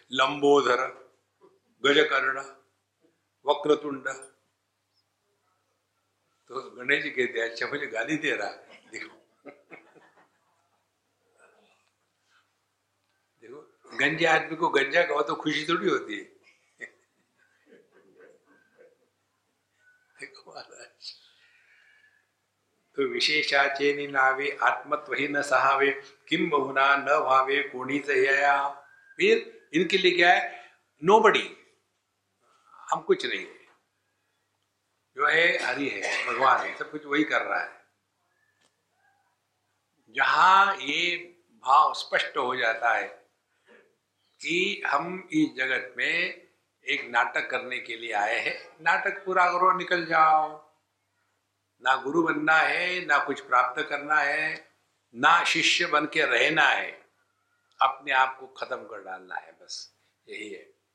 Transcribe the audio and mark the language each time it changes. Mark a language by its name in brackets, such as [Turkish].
[Hindi] लंबोदर, गजकर्ण, वक्रतुंड. तो गणेश जी कहते हैं अच्छा मुझे गाली दे रहा है. देखो गंजे आदमी को गंजा कहो तो खुशी थोड़ी होती है. [Marathi] देखो तो विशेषाचेनी नावे आत्मत्व ही न सहावे किम बहुना न भावे कोणी सहया. [Hindi] फिर इनके लिए क्या है, नोबडी, हम कुछ नहीं है. जो है हरि है, भगवान है, सब कुछ वही कर रहा है. जहां ये भाव स्पष्ट हो जाता है कि हम इस जगत में एक नाटक करने के लिए आए हैं, नाटक पूरा करो निकल जाओ, ना गुरु बनना है ना कुछ प्राप्त करना है ना शिष्य बन के रहना है, अपने आप को खत्म कर डालना है, बस यही है.